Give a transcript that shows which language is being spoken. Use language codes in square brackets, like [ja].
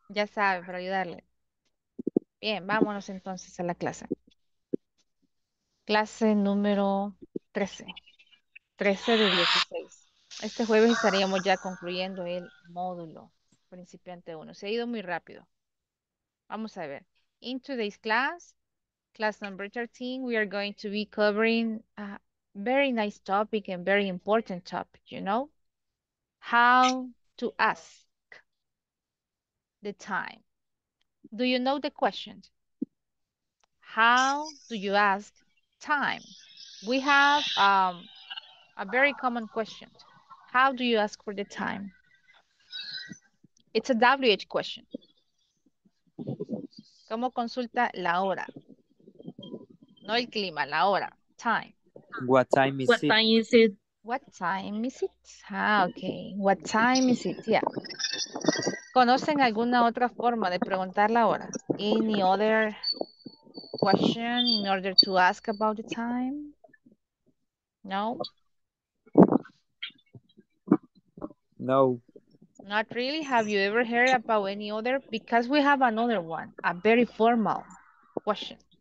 [es] Ya sabe, para ayudarle. Bien, vámonos entonces a la clase. Clase número 13. 13 de 16. Este jueves estaríamos ya concluyendo el módulo principiante 1. Se ha ido muy rápido. Vamos a ver. [en] In today's class, class number 13, we are going to be covering a very nice topic and very important topic, you know? How to ask the time. Do you know the question? How do you ask time? We have a very common question. How do you ask for the time? It's a WH question. [es] ¿Cómo consulta la hora? No el clima, la hora. Time. [en] What time is What it? time is it? What time is it? Ah, okay. What time is it? Yeah. [es] ¿Conocen alguna otra forma de preguntar la hora? [en] Any other question in order to ask about the time? No. No. Not really. Have you ever heard about any other? Because we have another one, a very formal question.